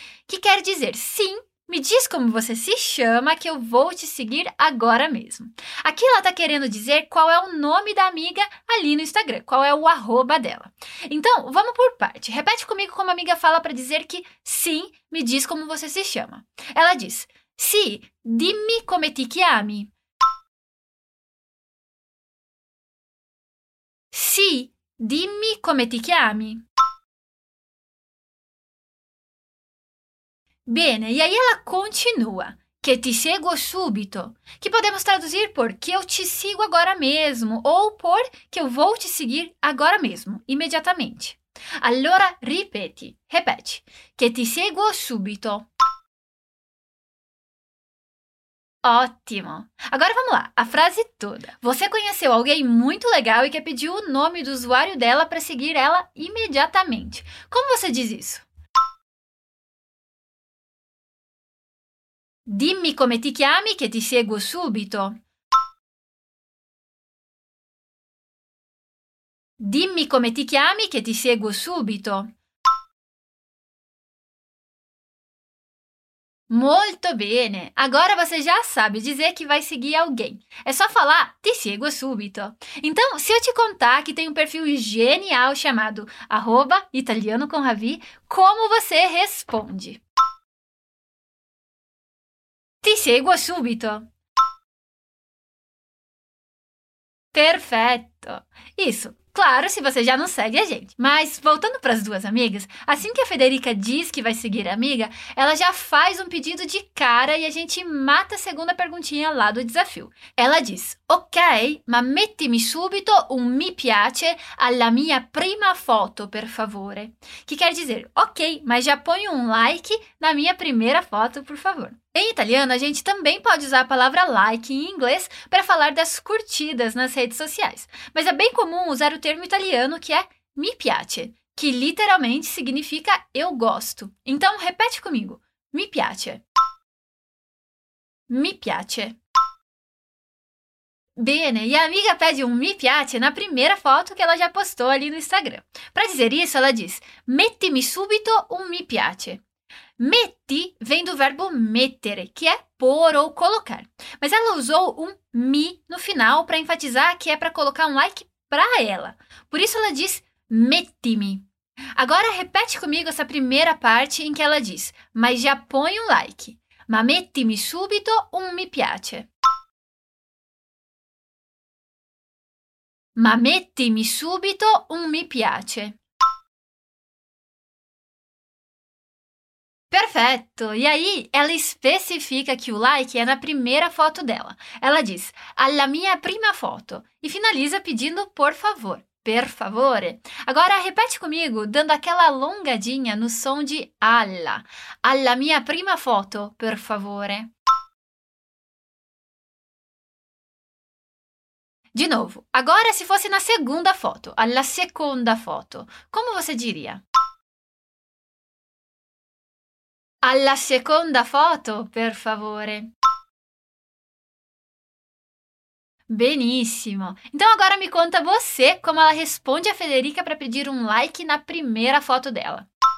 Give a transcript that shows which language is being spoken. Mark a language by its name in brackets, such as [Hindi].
[Portuguese] Que quer dizer sim, me diz como você se chama que eu vou te seguir agora mesmo. Aqui ela está querendo dizer qual é o nome da amiga ali no Instagram, qual é o arroba dela. Então, vamos por parte. Repete comigo como a amiga fala para dizer que sim, me diz como você se chama. Ela diz: [Italian] sì, dimmi come ti chiami. Sì, dimmi come ti chiami. Bene, [Portuguese] e aí ela continua. [Italian] Che ti seguo subito. [Portuguese] Que podemos traduzir por que eu te sigo agora mesmo. Ou por que eu vou te seguir agora mesmo, imediatamente. [Italian] Allora, ripeti. [Portuguese] Repete. [Italian] Che ti seguo subito. [Portuguese] Ótimo! Agora vamos lá, a frase toda. Você conheceu alguém muito legal e quer pedir o nome do usuário dela para seguir ela imediatamente. Como você diz isso? [Italian] Dimmi come ti chiami che ti seguo subito. Dimmi come ti chiami che ti seguo subito. [Portuguese] Muito bem! Agora você já sabe dizer que vai seguir alguém. É só falar [Italian] ti sigo subito. [Portuguese] Então, se eu te contar que tem um perfil genial chamado arroba italiano com Ravi, como você responde? [Italian] Ti sigo subito. [Portuguese] Perfeito! Isso! Claro, se você já não segue a gente. Mas, voltando para as duas amigas, assim que a Federica diz que vai seguir a amiga, ela já faz um pedido de cara e a gente mata a segunda perguntinha lá do desafio. Ela diz: [Italian] ok, ma mettimi subito un mi piace alla mia prima foto, per favore. [Portuguese] Que quer dizer: ok, mas já põe um like na minha primeira foto, por favor. Em italiano, a gente também pode usar a palavra like em inglês para falar das curtidas nas redes sociais. Mas é bem comum usar o termo italiano que é mi piace, que literalmente significa eu gosto. Então, repete comigo. [Italian] Mi piace. Mi piace. Bene, [Portuguese] e a amiga pede um mi piace na primeira foto que ela já postou ali no Instagram. Para dizer isso, ela diz: [Italian] mettimi subito un mi piace. [Portuguese] Metti vem do verbo mettere, que é pôr ou colocar. Mas ela usou um mi no final para enfatizar que é para colocar um like para ela. Por isso ela diz mettimi. Agora repete comigo essa primeira parte em que ela diz: mas já põe um like. [Italian] Ma mettimi subito un mi piace. Ma mettimi subito un mi piace. [Portuguese] Perfeito! E aí, ela especifica que o like é na primeira foto dela. Ela diz: [Italian] alla mia prima foto. [Portuguese] E finaliza pedindo por favor. [Italian] Per favore. [Portuguese] Agora repete comigo, dando aquela alongadinha no som de alla. [Italian] Alla mia prima foto, per favore. [Portuguese] De novo. Agora se fosse na segunda foto, [Italian] alla seconda foto, [Portuguese] como você diria? [Italian] Alla seconda foto, per favore. Benissimo. [Portuguese] Então agora me conta você como ela responde a Federica para pedir um like na primeira foto dela.